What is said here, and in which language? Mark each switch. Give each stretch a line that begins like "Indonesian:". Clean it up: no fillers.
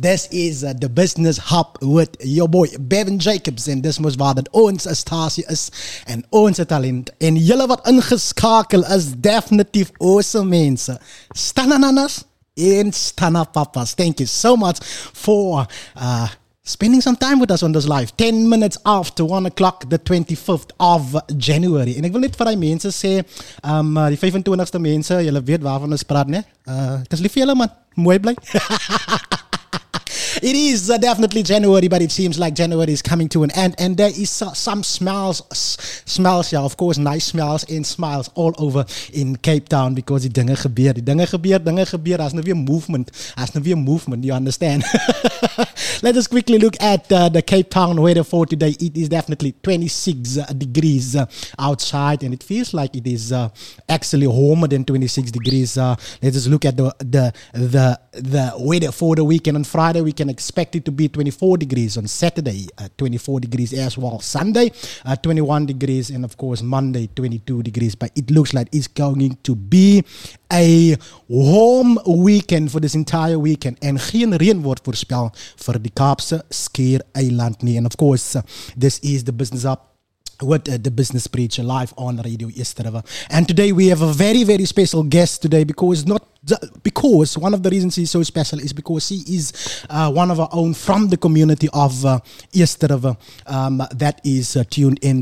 English: This is the Business Hub with your boy Bevan Jacobs, and this is
Afrikaans: waar dat ons stasie is en ons talent. En julle wat ingeskakel is definitief awesome mense. Stananas.
English: In Stana Papas, thank you so much for spending some time with us on this live. 10 minutes after 1 o'clock, the 25th of January.
Afrikaans: En ek wil net vir die mense sê, die 25ste mense, julle weet waarvan ons praat, ne? Ek is lief vir julle, man. Mooi bly.
English: It is definitely January, but it seems like January is coming to an end. And there is some smiles, yeah, of course, nice smiles and smiles all over in Cape Town because
Afrikaans: die dinge gebeur, as nou weer
English: movement, you understand? Let us quickly look at the Cape Town weather for today. It is definitely 26 degrees outside, and it feels like it is actually warmer than 26 degrees. Let us look at the weather for the weekend. On Friday, we can expect it to be 24 degrees. On Saturday, 24 degrees as well. Sunday, 21 degrees. And of course, Monday, 22 degrees. But it looks like it's going to be a warm weekend for this entire weekend.
Afrikaans: And geen reën word voorspel vir die Kaapse Skiereiland nie.
English: And of course, this is the Business Hub with the Business Preacher live on Radio Eersterivier. And today we have a very, very special guest today because one of the reasons he's so special is because he is one of our own from the community of Eersterivier that is tuned in.